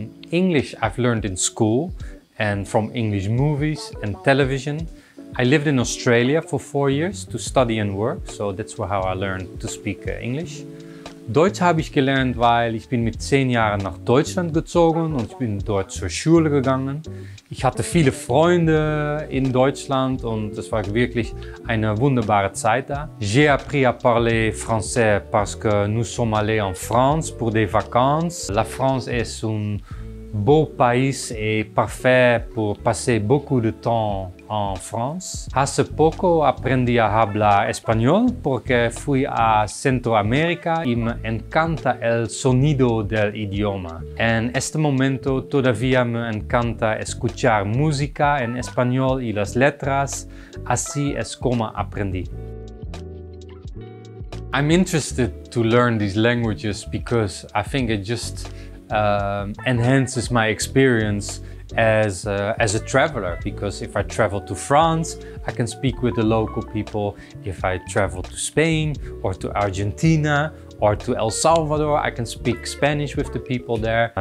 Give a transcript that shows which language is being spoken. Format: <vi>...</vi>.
<en>English I've learned in school and from English movies and television. I lived in Australia for 4 years to study and work, so that's how I learned to speak English.</en> <de>Deutsch habe ich gelernt, weil ich bin mit 10 Jahren nach Deutschland gezogen und ich bin dort zur Schule gegangen. Ich hatte viele Freunde in Deutschland und es war wirklich eine wunderbare Zeit da.</de> <fr>J'ai appris à parler français parce que nous sommes allés en France pour des vacances. La France est un beau pays et parfait pour passer beaucoup de temps en France.</fr> <es>Hace poco aprendí a hablar español porque fui a Centroamérica y me encanta el sonido del idioma. En este momento todavía me encanta escuchar música en español y las letras. Así es como aprendí.</es> <en>I'm interested to learn these languages because I think it just enhances my experience as a traveler, because if I travel to France, I can speak with the local people. If I travel to Spain or to Argentina or to El Salvador, I can speak Spanish with the people there.</en>